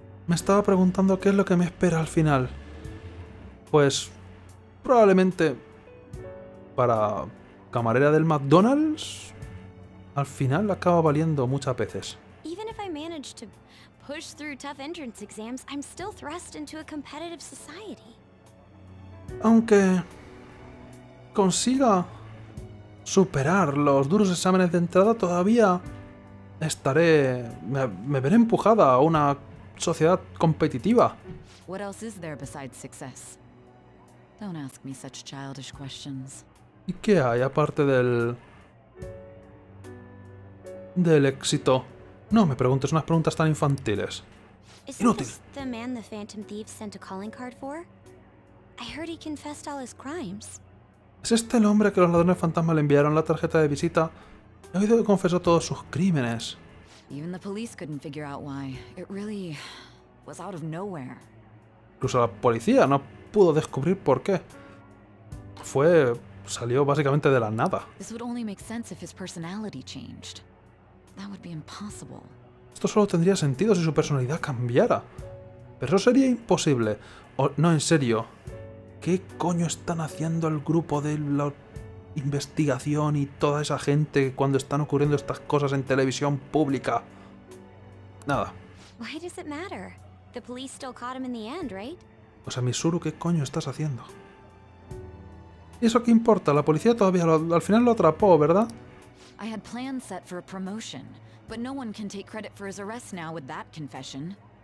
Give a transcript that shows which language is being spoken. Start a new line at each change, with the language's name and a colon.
Spanish: Me estaba preguntando qué es lo que me espera al final. Pues... probablemente... para... camarera del McDonald's... al final acaba valiendo muchas veces.
English: Even if I manage to push through tough entrance exams, I'm still thrust into a competitive society.
Spanish: Aunque... consiga... superar los duros exámenes de entrada, todavía... estaré... me veré empujada a una... sociedad competitiva.
English: What else is there besides success? Don't ask me such childish questions.
Spanish: ¿Y qué hay aparte del... del éxito? No me preguntes unas preguntas tan infantiles. Inútil.
English: The man the Phantom Thief sent a calling card for? I heard he confessed all his crimes.
Spanish: ¿Es este el hombre que los ladrones fantasma le enviaron la tarjeta de visita? He oído que confesó todos sus crímenes.
English: Even the police couldn't figure out why. It really was out of nowhere.
Spanish: Incluso la policía no pudo descubrir por qué. Salió básicamente de la nada.
English: This would only make sense if his personality changed. That would be impossible.
Spanish: Esto solo tendría sentido si su personalidad cambiara. Pero eso sería imposible. No, en serio. ¿Qué coño están haciendo el grupo de la investigación y toda esa gente cuando están ocurriendo estas cosas en televisión pública? Nada.
English: Why does it matter? The police still caught him in the end, right?
Spanish: O sea, Misuru, ¿qué coño estás haciendo? ¿Y eso qué importa? La policía todavía al final lo atrapó, ¿verdad?
English: I had plans set for a promotion, but no one can take credit for his arrest now with that confession.